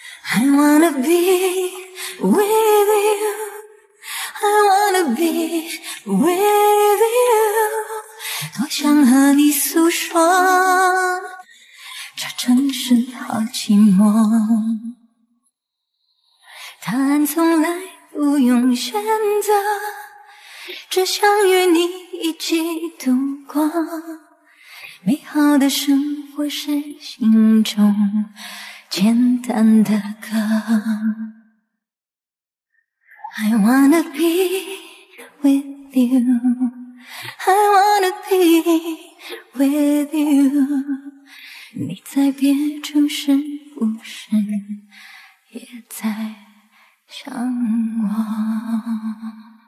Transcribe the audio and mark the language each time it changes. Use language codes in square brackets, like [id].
[en] I wanna be with you,I wanna be with you. [zh] 多想和你诉说这城市好寂寞。答案从来不用选择，只想与你一起度过。美好的生活是心中简单的歌。 [en] I wanna be with you, I wanna be with you. [zh] 你在别处是不是也在想我？